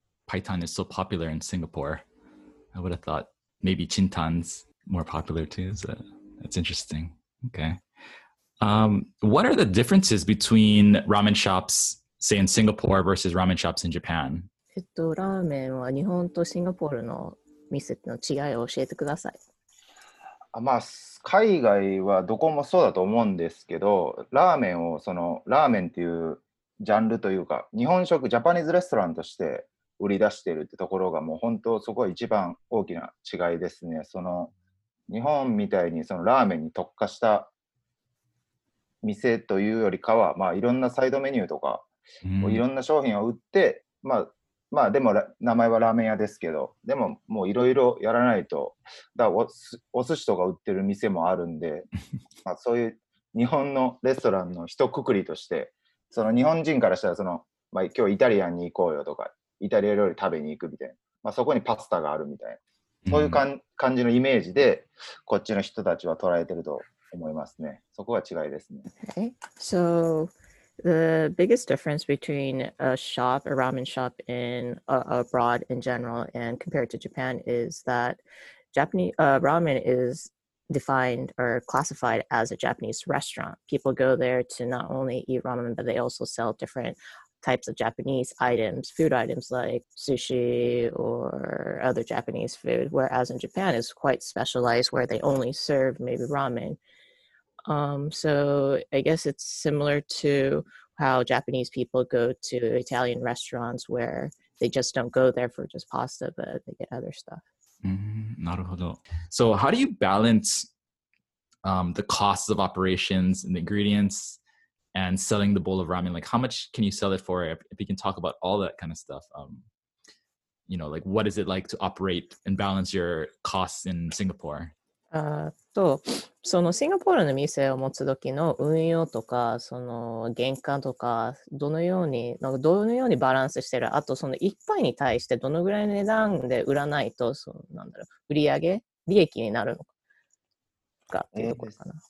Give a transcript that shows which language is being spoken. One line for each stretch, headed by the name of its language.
English: Paitan is so popular in Singapore. I would have thought maybe Chintan's more popular too. So that's interesting. Okay. What are the differences between ramen shops, say in Singapore versus ramen shops in Japan?
Japanese: Ramen は日本とシンガポールの店の違いを教えてください。まあ、海外はどこもそうだと思うんですけど、ラーメンをそのラーメンっていうジャンルというか、日本食、ジャパニーズレストランとして売り出しているってところがもう本当そこが一番大きな違いですね。その日本みたいにそのラーメンに特化した店というよりかは、まあいろんなサイドメニューとか、いろんな商品を売って、まあまあでも名前はラーメン屋ですけど、でももういろいろやらないと、だからお寿司とか売ってる店もあるんで、まあそういう日本のレストランの一括りとして、その日本人からしたらその、まあ今日イタリアンに行こうよとか、イタリア料理食べに行くみたいな、まあそこにパスタがあるみたいな、そういう感じのイメージで、こっちの人たちは捉えてると思いますね。そこが違いですね。
English: So... The biggest difference between a shop, a ramen shop in abroad in general and compared to Japan is that Japanese ramen is defined or classified as a Japanese restaurant. People go there to not only eat ramen, but they also sell different types of Japanese items, food items like sushi or other Japanese food. Whereas in Japan, it's quite specialized where they only serve maybe ramen. So I guess it's similar to how Japanese people go to Italian restaurants where they just don't go there for just pasta, but they get other stuff.
Japanese: なるほど.
English: So how do you balance the costs of operations and the ingredients and selling the bowl of ramen? Like how much can you sell it for? If you can talk about all that kind of stuff, you know, like what is it like to operate and balance your costs in Singapore?
Japanese: そのシンガポールの店を持つ時の運用とかその原価とかどのようにバランスしてる、あとその一杯に対してどのぐらいの値段で売らないとそのなんだろう売上利益になるのかっていうところかな。